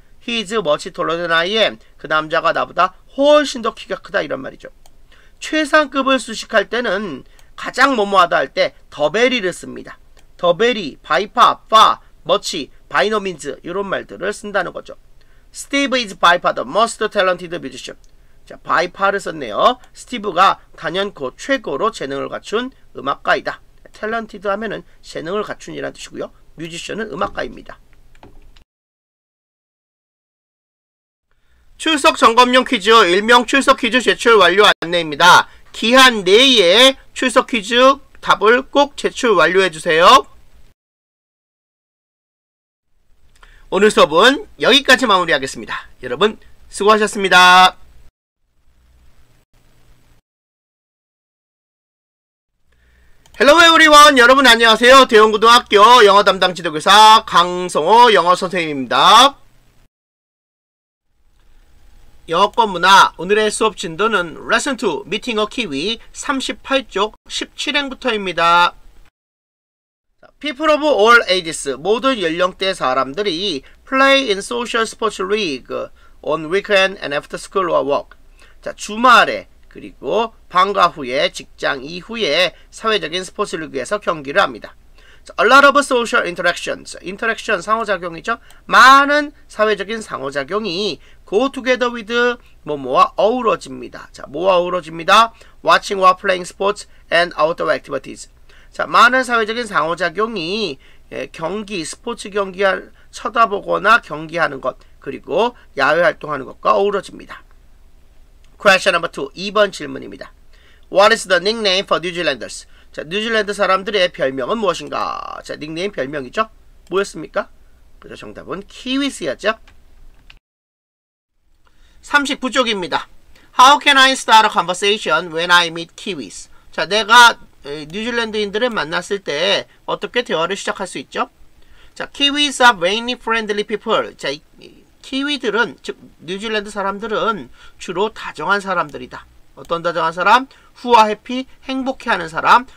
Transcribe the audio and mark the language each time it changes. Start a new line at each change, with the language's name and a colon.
English: He is much taller than I am.
Korean: 그 남자가 나보다 훨씬 더 키가 크다 이런 말이죠. 최상급을 수식할 때는 가장 뭐뭐하다 할 때 더 베리를 씁니다. 더 베리, 바이 파, 파, 머치, 바이 노 민즈 이런 말들을 쓴다는 거죠.
English: Steve is by far the most talented musician.
Korean: 자, 바이 파를 썼네요. 스티브가 단연코 최고로 재능을 갖춘 음악가이다. 탤런티드 하면은 재능을 갖춘이라는 뜻이고요. 뮤지션은 음악가입니다. 출석 점검용 퀴즈, 일명 출석 퀴즈 제출 완료 안내입니다. 기한 내에 출석 퀴즈 답을 꼭 제출 완료해주세요. 오늘 수업은 여기까지 마무리하겠습니다. 여러분 수고하셨습니다.
English: Hello everyone.
Korean: 여러분 안녕하세요. 대원고등학교 영어 담당 지도교사 강성호 영어 선생님입니다. 영어권 문화 오늘의 수업 진도는 레슨 2 미팅 어 키위 38쪽 17행부터입니다.
English: People of all ages,
Korean: 모든 연령대 사람들이
English: play in social sports league on weekend and after school or work.
Korean: 자, 주말에 그리고 방과 후에 직장 이후에 사회적인 스포츠 리그에서 경기를 합니다.
English: A lot of social interactions. Interaction,
Korean: 상호작용이죠. 많은 사회적인 상호작용이
English: go together with
Korean: 뭐뭐와 어우러집니다.
English: 자,
Korean: 뭐와 어우러집니다.
English: Watching or playing sports and outdoor activities.
Korean: 자, 많은 사회적인 상호작용이 경기, 스포츠 경기를 쳐다보거나 경기하는 것, 그리고 야외 활동하는 것과 어우러집니다.
English: Question number 2,
Korean: 2번 질문입니다.
English: What is the nickname for New Zealanders?
Korean: 자, 뉴질랜드 사람들의 별명은 무엇인가? 자, 닉네임 별명이죠? 뭐였습니까? 그래서 정답은 키위스였죠? 39쪽입니다.
English: How can I start a conversation when I meet Kiwis?
Korean: 자, 내가 뉴질랜드인들을 만났을 때 어떻게 대화를 시작할 수 있죠?
English: 자, Kiwis are very friendly people.
Korean: 자, 키위들은, 즉 뉴질랜드 사람들은 주로 다정한 사람들이다. 어떤 다정한 사람?
English: Who are happy?
Korean: 행복해하는 사람.